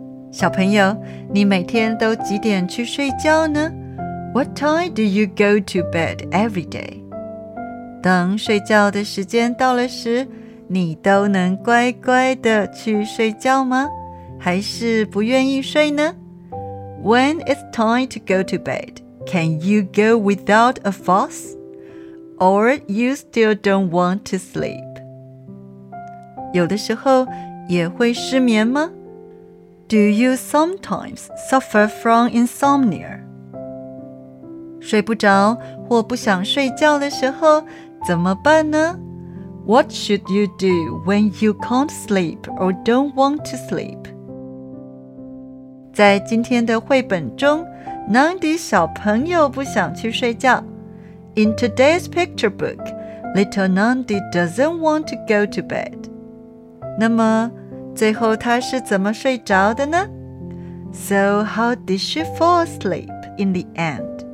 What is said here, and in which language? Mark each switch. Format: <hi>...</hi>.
<zh>小朋友，你每天都几点去睡觉呢？</zh> <en>What time do you go to bed every day?</en> <zh>当睡觉的时间到了时，你都能乖乖的去睡觉吗？还是不愿意睡呢？</zh> <en>When it's time to go to bed, can you go without a fuss? Or you still don't want to sleep?</en> <zh>有的时候也会失眠吗？</zh> <en>Do you sometimes suffer from insomnia?</en> <zh>睡不着或不想睡觉的时候怎么办呢？</zh> <en>What should you do when you can't sleep or don't want to sleep?</en> <zh>在今天的绘本中，南迪小朋友不想去睡觉。</zh> <en>In today's picture book, little Nandi doesn't want to go to bed.</en> <zh>那么最后他是怎么睡着的呢？</zh> <en>So how did she fall asleep in the end?</en>